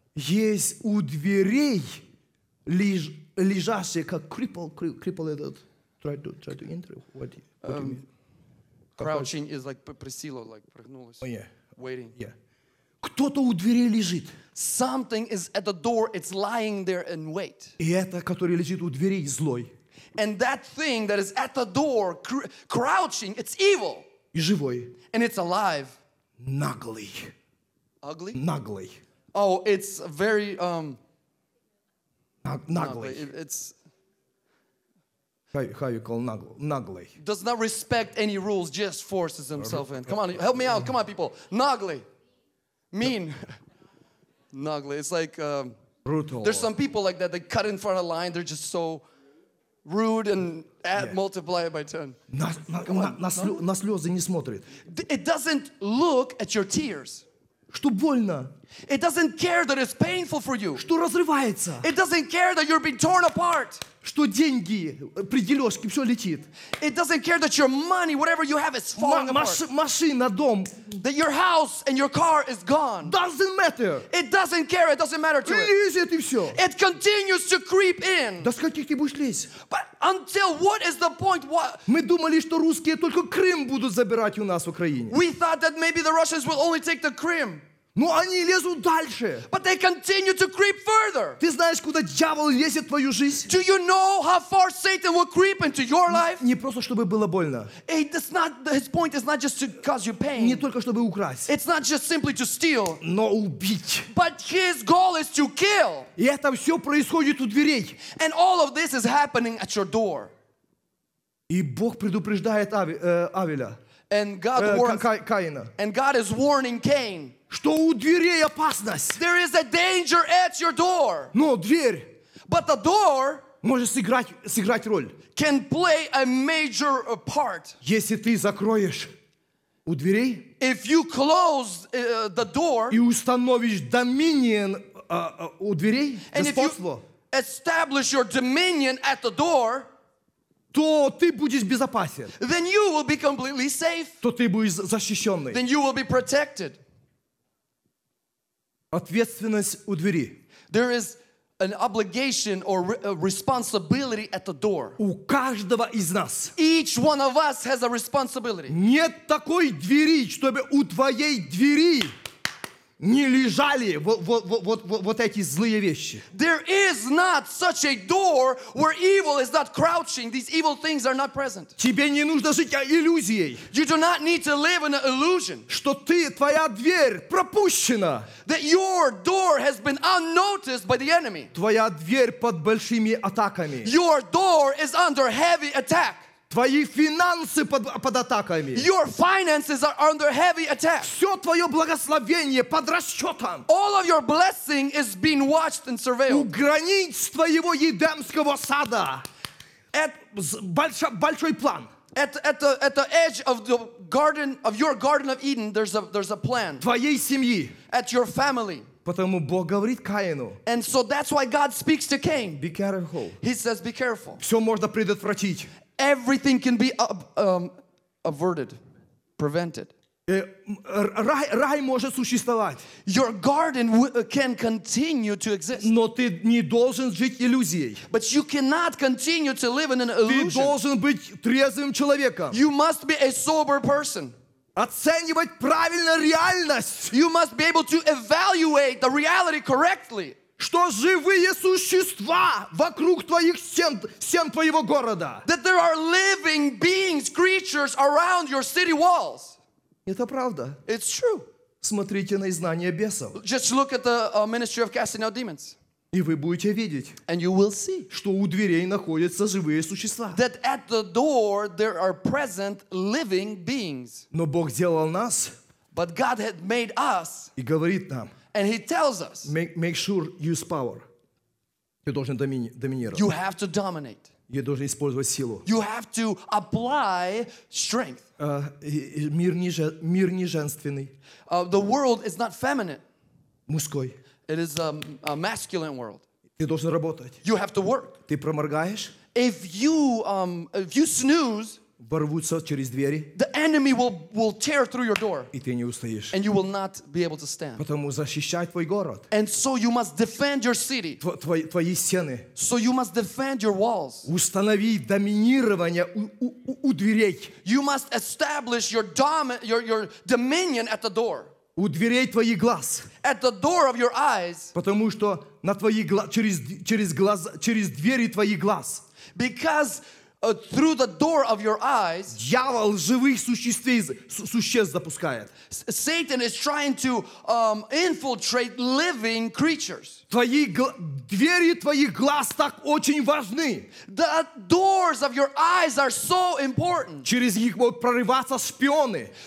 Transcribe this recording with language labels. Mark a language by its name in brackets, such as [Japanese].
[Russian] Есть у дверей лежащие, как [English] cripple [Russian] этот. [English] Try to enter. What do you mean? Crouching is like [Russian] присело, [English] like [Russian] прогнулось. [English] Oh, yeah. Waiting. Yeah. [Russian] Кто-то у дверей лежит. [English] Something is at the door, it's lying there in wait. [Russian] И это, который лежит у дверей, злой. [English] And that thing that is at the door, crouching, it's evil. [Russian] И живой. [English] And it's alive. [Russian] Наглый. [English] Ugly? [Russian] Наглый. [English] Oh, it's very, [Russian] Наглый. [English] It's... How you call [Russian] наглый? [English] Does not respect any rules, just forces himself in. Come on, help me out. Come on, people. [Russian] Наглый. [English] Mean. Ugly. It's like brutal. There's some people like that. They cut in front of line. They're just so rude and multiply it by 10. [Russian] На слезы не смотрит. [English] It doesn't look at your tears. [Russian] Что больно. [English] It doesn't care that it's painful for you. [Russian] Что разрывается. [English] It doesn't care that you're being torn apart. [Russian] Что деньги при дележке все летит. [English] It doesn't care that your money, whatever you have, is falling apart. [Russian] Машина, дом. [English] That your house and your car is gone. Doesn't matter. It doesn't care. It doesn't matter to [Russian] лезет Лезет и все. [English] It continues to creep in. [Russian] До скольких ты будешь лезть? [English] But until what is the point? What? [Russian] Мы думали, что русские только Крым будут забирать у нас в Украине. [English] We thought that maybe the Russians will only take the Krim. [Russian] Но они лезут дальше. [English] But they continue to creep further. [Russian] Ты знаешь, куда дьявол лезет в твою жизнь? [English] Do you know how far Satan will creep into your life? [Russian] Не просто чтобы было больно. [English] His point is not just to cause you pain. [Russian] Не только чтобы украсть. [English] It's not just simply to steal. [Russian] Но убить. [English] But his goal is to kill. [Russian] И это все происходит у дверей. [English] And all of this is happening at your door. [Russian] И Бог предупреждает Авеля. [English] And God warns [Russian] Каина. [English] And God is warning Cain. [Russian] Что у дверей опасность. [English] There is a danger at your door. [Russian] Но дверь. [English] But the door. [Russian] Может сыграть роль. [English] Can play a major part. [Russian] Если ты закроешь. у дверей, [English] if you close the door, [Russian] и установишь доминион у дверей, господство, [English] establish your dominion at the door, [Russian] то ты будешь безопасен. [English] Then you will be completely safe. [Russian] То ты будешь защищенный. [English] Then you will be protected. [Russian] Ответственность у двери. [English] There is an obligation or responsibility at the door. [Russian] У каждого из нас. [English] Each one of us has a responsibility. [Russian] Нет такой двери, чтобы у твоей двери не лежали вот эти злые вещи. [English] There is not such a door where evil is not crouching. These evil things are not present. [Russian] Тебе не нужно жить иллюзией. [English] You do not need to live in an illusion. [Russian] Что ты, твоя дверь пропущена. [English] That your door has been unnoticed by the enemy. [Russian] Твоя дверь под большими атаками. [English] Your door is under heavy attack. [Russian] Твои финансы под атаками. [English] Your finances are under heavy attack. [Russian] Все твое благословение под расчетом. [English] All of your blessing is being watched and surveilled. [Russian] У границ твоего Едемского сада. Большой план. [English] At the edge of the garden of your garden of Eden, there's a plan. [Russian] Твоей семьи. [English] At your family. [Russian] Потому Бог говорит Каину. [English] And so that's why God speaks to Cain. Be careful. He says, be careful. [Russian] Все можно предотвратить. [English] Everything can be averted, prevented. [Russian] Рай может существовать. [English] Your garden can continue to exist. [Russian] Но ты не должен жить иллюзией. [English] But you cannot continue to live in an illusion. [Russian] Ты должен быть трезвым человеком. [English] You must be a sober person. [Russian] Оценивать правильно реальность. [English] You must be able to evaluate the reality correctly. [Russian] Что живые существа вокруг твоих стен твоего города. [English] That there are living beings, creatures around your city walls. [Russian] Это правда. [English] It's true. [Russian] Смотрите на изгнание бесов. [English] Just look at the ministry of casting out demons. [Russian] И вы будете видеть. [English] And you will see. [Russian] Что у дверей находятся живые существа. [English] That at the door there are present living beings. [Russian] Но Бог сделал нас. [English] But God had made us. [Russian] И говорит нам. [English] And he tells us, make sure use power. [Russian] Ты должен доминировать. [English] You have to dominate. [Russian] Ты должен использовать силу. [English] You have to apply strength. [Russian] Мир не женственный. [English] The world is not feminine. [Russian] Мужской. [English] It is a masculine world. [Russian] Ты должен работать. [English] You have to work. [Russian] Ты проморгаешь? [English] If you snooze, [Russian] ворвутся через двери. [English] The enemy will tear through your door. [Russian] И ты не устоишь. [English] And you will not be able to stand. [Russian] Потому защищай твой город. [English] And so you must defend your city. [Russian] Твои стены. [English] So you must defend your walls. [Russian] Установи доминирование у дверей. [English] You must establish your dominion at the door. [Russian] У дверей твоих глаз. [English] At the door of your eyes. [Russian] Потому что на твои через двери твоих глаз. [English] Because through the door of your eyes, [Russian] дьявол живых существ запускает. [English] Satan is trying to infiltrate living creatures. [Russian] Двери твоих глаз так очень важны. [English] The doors of your eyes are so important. [Russian] Через них могут прорываться шпионы.